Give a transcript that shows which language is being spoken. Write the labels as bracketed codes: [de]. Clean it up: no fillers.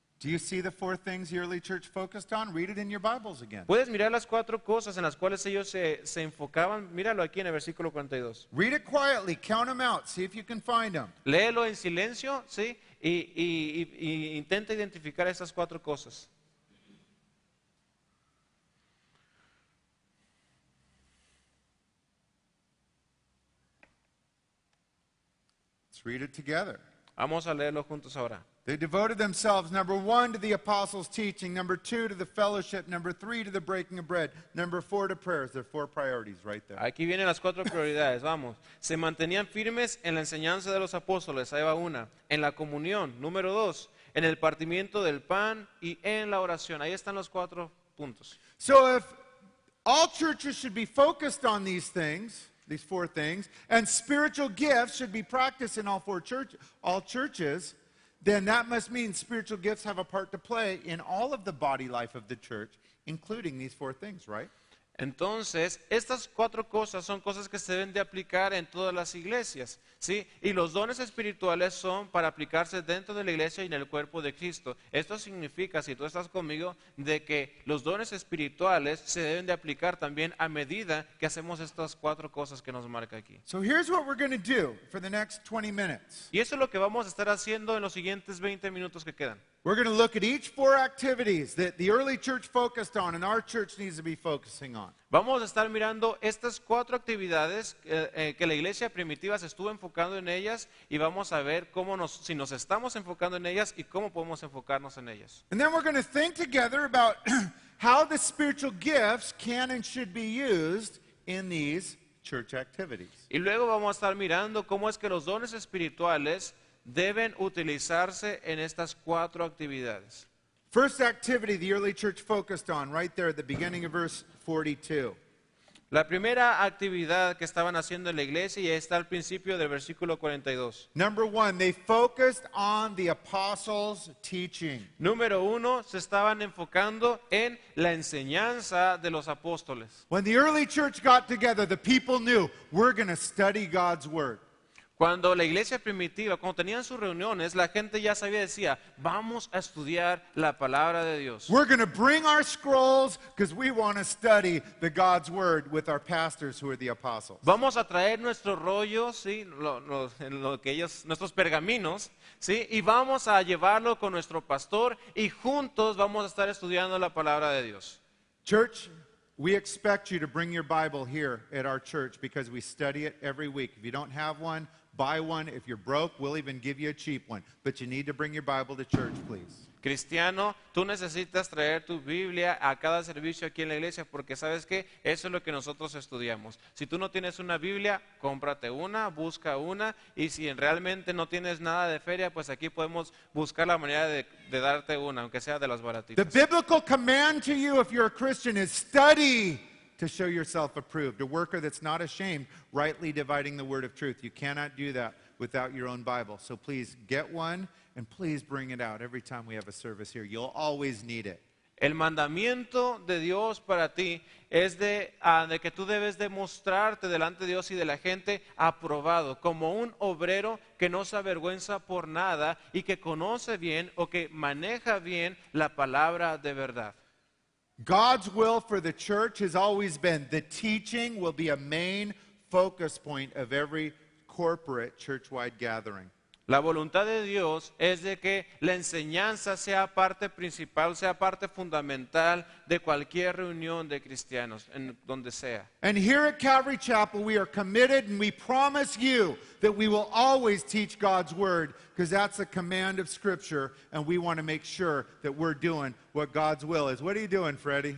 [en] Do you see the 4 things the early church focused on? Read it in your Bibles again. [es] ¿Puedes mirar las 4 cosas en las cuales ellos se enfocaban? Míralo aquí en el versículo 42. [en] Read it quietly, count them out, see if you can find them. [es] Léelo en silencio, ¿sí? Y intenta identificar estas 4 cosas. [en] Let's read it together. [es] Vamos a leerlo juntos ahora. [en] They devoted themselves, number one, to the apostles' teaching, number two, to the fellowship, number three, to the breaking of bread, number four, to prayers. There are four priorities right there. [es] Aquí vienen las cuatro prioridades, vamos. Se mantenían firmes en la enseñanza de los apóstoles, ahí va una. En la comunión, número dos. En el partimiento del pan y en la oración. Ahí están los cuatro puntos. [en] So if all churches should be focused on these things, these four things, and spiritual gifts should be practiced in all four churches, all churches, then that must mean spiritual gifts have a part to play in all of the body life of the church, including these four things, right? [es] Entonces, estas cuatro cosas son cosas que se deben de aplicar en todas las iglesias, ¿sí? Y los dones espirituales son para aplicarse dentro de la iglesia y en el cuerpo de Cristo. Esto significa, si tú estás conmigo, de que los dones espirituales se deben de aplicar también a medida que hacemos estas cuatro cosas que nos marca aquí. [en] So here's what we're going to do for the next 20 minutes. [es] Y eso es lo que vamos a estar haciendo en los siguientes 20 minutos que quedan. [en] We're going to look at each four activities that the early church focused on and our church needs to be focusing on. [es] Vamos a estar mirando estas cuatro actividades que la iglesia primitiva se estuvo enfocando en ellas y vamos a ver cómo si nos estamos enfocando en ellas y cómo podemos enfocarnos en ellas. [en] And then we're going to think together about how the spiritual gifts can and should be used in these church activities. [es] Y luego vamos a estar mirando cómo es que los dones espirituales deben utilizarse en estas cuatro actividades. [en] First activity the early church focused on, right there at the beginning of verse 42. [es] La primera actividad que estaban haciendo en la iglesia y está al principio del versículo 42. [en] Number one, they focused on the apostles' teaching. [es] Número uno, se estaban enfocando en la enseñanza de los apóstoles. [en] When the early church got together, the people knew, we're going to study God's word. [es] Cuando la iglesia primitiva, cuando tenían sus reuniones, la gente ya sabía, decía, vamos a estudiar la palabra de Dios. [en] We're going to bring our scrolls because we want to study the God's word with our pastors who are the apostles. [es] Vamos a traer nuestro rollo, sí, lo que ellos, nuestros pergaminos, sí, y vamos a llevarlo con nuestro pastor y juntos vamos a estar estudiando la palabra de Dios. [en] Church, we expect you to bring your Bible here at our church because we study it every week. If you don't have one, buy one. If you're broke, we'll even give you a cheap one. But you need to bring your Bible to church, please. [es] Cristiano, tú necesitas traer tu Biblia a cada servicio aquí en la iglesia porque sabes que eso es lo que nosotros estudiamos. Si tú no tienes una Biblia, cómprate una, busca una, y si realmente no tienes nada de feria, pues aquí podemos buscar la manera de darte una, aunque sea de las baratitas. [en] The biblical command to you if you're a Christian is study to show yourself approved, a worker that's not ashamed, rightly dividing the word of truth. You cannot do that without your own Bible. So please get one and please bring it out every time we have a service here. You'll always need it. [es] El mandamiento de Dios para ti es de que tú debes demostrarte delante de Dios y de la gente aprobado como un obrero que no se avergüenza por nada y que conoce bien o que maneja bien la palabra de verdad. [en] God's will for the church has always been the teaching will be a main focus point of every corporate church-wide gathering. [es] La voluntad de Dios es de que la enseñanza sea parte principal, sea parte fundamental de cualquier reunión de cristianos, en donde sea. [en] And here at Calvary Chapel, we are committed and we promise you that we will always teach God's word because that's a command of Scripture and we want to make sure that we're doing what God's will is. What are you doing, Freddy?